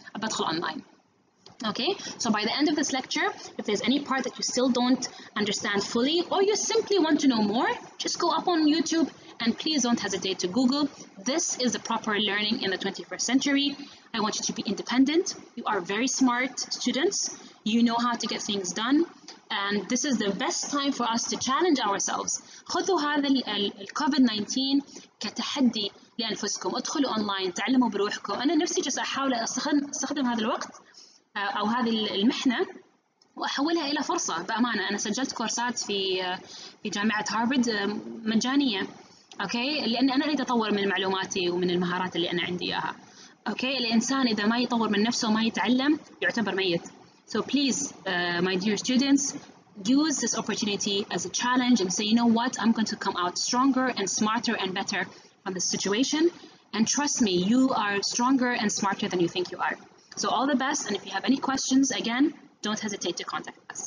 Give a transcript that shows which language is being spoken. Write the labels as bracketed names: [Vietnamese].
[Arabic] أبدخل [English] online. Okay. So by the end of this lecture, if there's any part that you still don't understand fully, or you simply want to know more, just go up on YouTube and please don't hesitate to Google. This is the proper learning in the 21st century. I want you to be independent. You are very smart students. you know how to get things done, and this is the best time for us to challenge ourselves. [Arabic] خذوا هذا الكوفيد 19 كتحدي لأنفسكم. ادخلوا أونلاين، تعلموا بروحكم. أنا نفسي جس أحاول استخدم هذا الوقت أو هذه المحنة وأحولها إلى فرصة. بأمانة أنا سجلت كورسات في جامعة هارفارد مجانية، أوكي، لأن أنا أريد أطور من معلوماتي ومن المهارات اللي أنا عندي إياها. أوكي، الإنسان إذا ما يطور من نفسه وما يتعلم يعتبر ميت. [English] So please, my dear students, use this opportunity as a challenge and say, you know what, I'm going to come out stronger and smarter and better from this situation. And trust me, you are stronger and smarter than you think you are. So all the best, and if you have any questions, again, don't hesitate to contact me.